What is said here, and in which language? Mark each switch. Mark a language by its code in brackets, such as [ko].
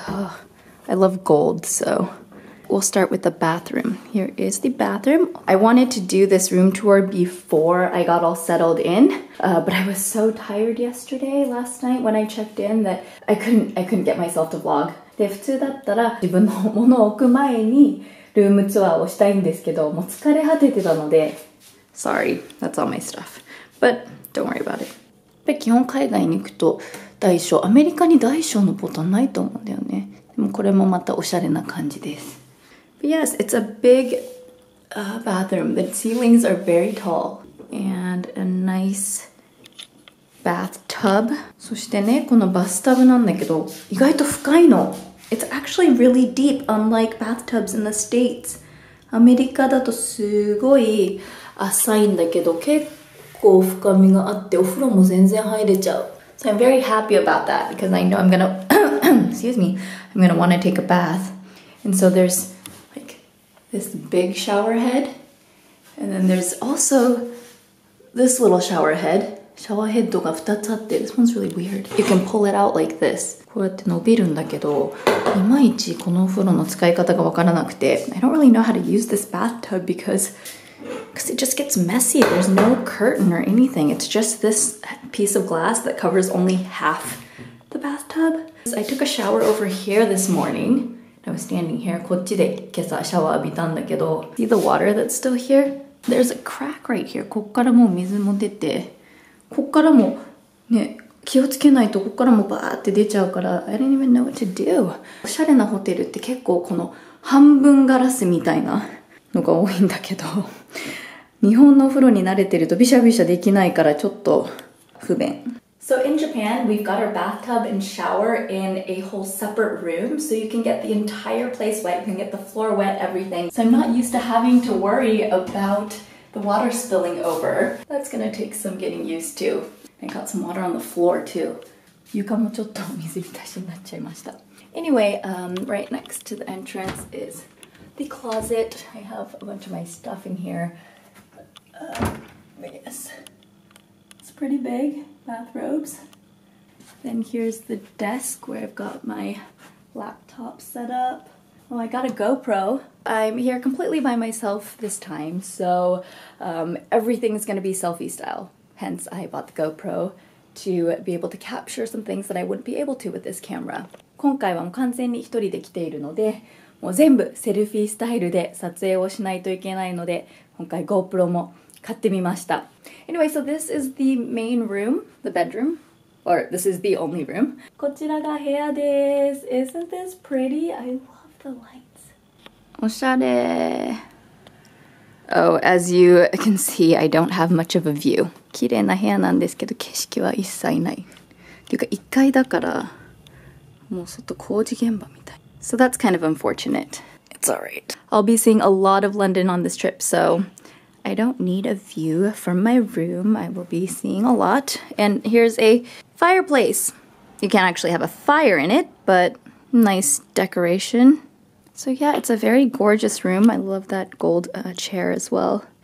[en] Oh, I love gold, so we'll start with the bathroom. Here is the bathroom. I wanted to do this room tour before I got all settled in, but I was so tired yesterday, last night when I checked in, that I couldn't get myself to vlog. [ja] で、普通だったら自分のものを置く前にルームツアーをしたいんですけど、もう疲れ果ててたので。 [en] Sorry, that's all my stuff. But don't worry about it. [ja] やっぱり基本海外に行くと大小、アメリカに大小のボタンないと思うんだよね。でもこれもまたおしゃれな感じです。 [en] But、yes, it's a big、bathroom. The ceilings are very tall. And a nice bathtub. [ja] そしてね、このバスタブなんだけど、意外と深いの。 [en] It's actually really deep, unlike bathtubs in the States. [ja] アメリカだとすごい浅いんだけど、結構深みがあってお風呂も全然入れちゃう。 [en] So I'm very happy about that because I know I'm gonna excuse me, I'm gonna want to take a bath. And so there's like this big shower head, and then there's also this little shower head. [ja] シャワーヘッドが2つあって、 [en] This one's really weird. You can pull it out like this. [ja] こうやって伸びるんだけど、いまいちこのお風呂の使い方がわからなくて、 [en] I don't really know how to use this bathtub because it just gets messy. There's no curtain or anything. It's just this piece of glass that covers only half the bathtub. So I took a shower over here this morning. I was standing here. [ja] こっちで今朝シャワー浴びたんだけど。 [en] See the water that's still here? There's a crack right here. [ja] こっからもう水も出て、こっからもね、気をつけないとこっからもバーって出ちゃうから、 [en] I didn't even know what to do. [ja] おしゃれなホテルって結構この半分ガラスみたいなのが多いんだけど、日本のお風呂に慣れてるとビシャビシャできないからちょっと不便。 [en] So in Japan, we've got our bathtub and shower in a whole separate room, so you can get the entire place wet, you can get the floor wet, everything. So I'm not used to having to worry about the water spilling over. That's gonna take some getting used to. I got some water on the floor too. [ja] 床もちょっと水浸しになっちゃいました。 [en] Anyway, right next to the entrance is the closet. I have a bunch of my stuff in here. Yes, it's pretty big, bathrobes. Then here's the desk where I've got my laptop set up. Oh, I got a GoPro. I'm here completely by myself this time, so everything's gonna be selfie style. Hence, I bought the GoPro to be able to capture some things that I wouldn't be able to with this camera. [ja] 今回はもう完全に一人で来ているので、もう全部セルフィースタイルで撮影をしないといけないので、今回 GoPro も買ってみました。 [en] Anyway, so this is the main room, the bedroom, or this is the only room. [ja] こちらが部屋です。 [en] Isn't this pretty? I love the lights. [ja] おしゃれ。 [en] Oh, as you can see, I don't have much of a view. [ja] 綺麗な部屋なんですけど、景色は一切ない。というか、1階だから、もう外工事現場みたい。 [en] So that's kind of unfortunate. It's alright. I'll be seeing a lot of London on this trip, soI don't need a view from my room. I will be seeing a lot. And here's a fireplace. You can't actually have a fire in it, but nice decoration. So yeah, it's a very gorgeous room. I love that gold chair as well.